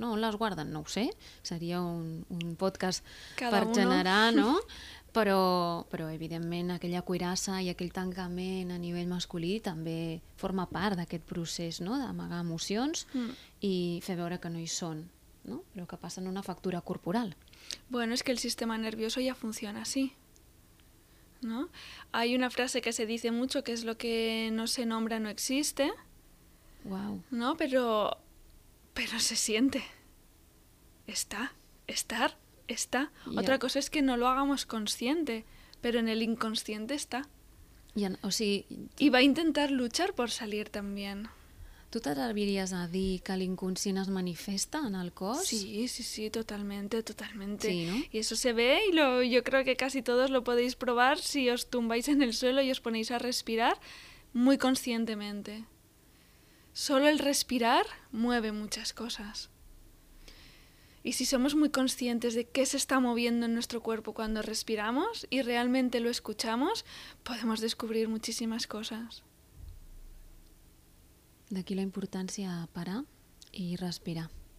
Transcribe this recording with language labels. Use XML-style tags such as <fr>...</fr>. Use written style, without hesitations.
<ca>No? On les guarden? No ho sé. Seria un podcast cada per</ca> <es>uno.</es> <ca>Generar, no? Però, evidentment, aquella cuirassa i aquell tancament a nivell masculí també forma part d'aquest procés, no? D'amagar emocions i fer veure que no hi són, no? Però que passen una factura corporal.</ca> <es>Bueno, es que el sistema nervioso ya funciona así, ¿no? Hay una frase que se dice mucho, que es lo que no se nombra no existe. Wow. ¿No? Pero se siente. Está. Estar. Está. Yeah. Otra cosa es que no lo hagamos consciente, pero en el inconsciente está.</es> <ca>Yeah, o sigui,</ca> <es>y va a intentar luchar por salir también. ¿Tú te atreverías a decir que el inconsciente se manifiesta en el cos? Sí, totalmente, totalmente. Sí, ¿no? Y eso se ve y yo creo que casi todos lo podéis probar si os tumbáis en el suelo y os ponéis a respirar muy conscientemente. Solo el respirar mueve muchas cosas. Y si somos muy conscientes de qué se está moviendo en nuestro cuerpo cuando respiramos y realmente lo escuchamos, podemos descubrir muchísimas cosas.</es> <ca>D'aquí la importància de parar i respirar.</ca>